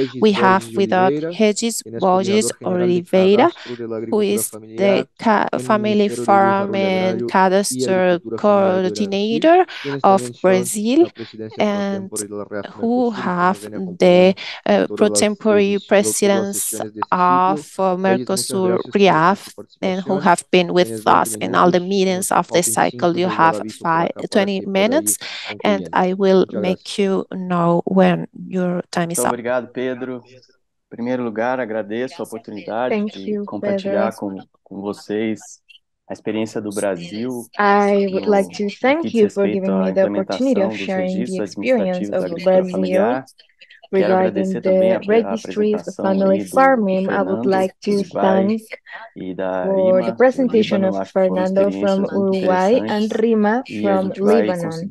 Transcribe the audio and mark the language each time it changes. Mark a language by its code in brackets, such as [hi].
[en] We have with us Regis Borges Oliveira, who is the Family Farm and Cadastre Coordinator of Brazil, and who have the pro-tempore presidents of Mercosur RIAF, and who have been with us in all the meetings of this cycle. You have 20 minutes, and I will make you know when your time is up. [pt] Obrigado, Pedro. Em primeiro lugar, agradeço a oportunidade de compartilhar com vocês a experiência do Brasil. [en] I would like to thank you for giving me the opportunity of sharing the experience of Brazil. Regarding the registries of family farming, I would like to thank for the presentation of Fernando from Uruguay and Rima from Lebanon.